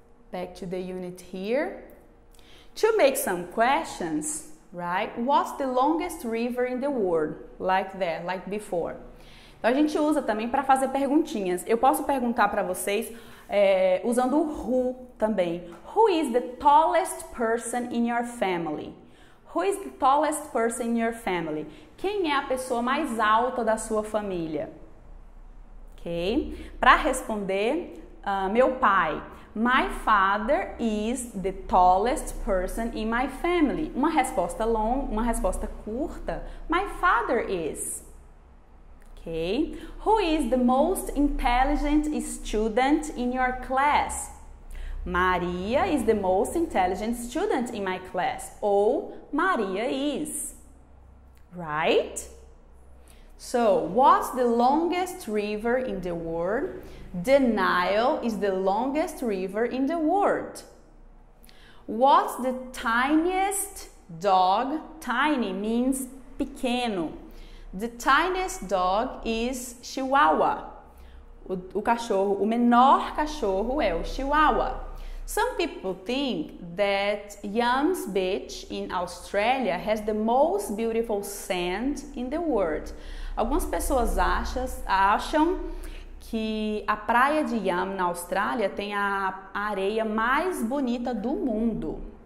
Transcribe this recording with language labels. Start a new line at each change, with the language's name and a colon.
English: Back to the unit here. To make some questions... Right? What's the longest river in the world? Like that, like before.
Portuguese: Então a gente usa também para fazer perguntinhas. Eu posso perguntar para vocês usando o who também.
English: Who is the tallest person in your family? Who is the tallest person in your family?
Portuguese: Quem é a pessoa mais alta da sua família? Ok? Para responder, meu pai.
English: My father is the tallest person in my family.
Portuguese: Uma resposta longa, uma resposta curta.
English: My father is.
Portuguese: Ok.
English: Who is the most intelligent student in your class? Maria is the most intelligent student in my class. Ou Maria is. Right? So, what's the longest river in the world? The Nile is the longest river in the world. What's the tiniest dog? Tiny means pequeno. The tiniest dog is Chihuahua.
Portuguese: O cachorro, o menor cachorro é o Chihuahua.
English: Some people think that Yams Beach in Australia has the most beautiful sand in the world.
Portuguese: Algumas pessoas acham que a praia de Yam na Austrália tem a areia mais bonita do mundo.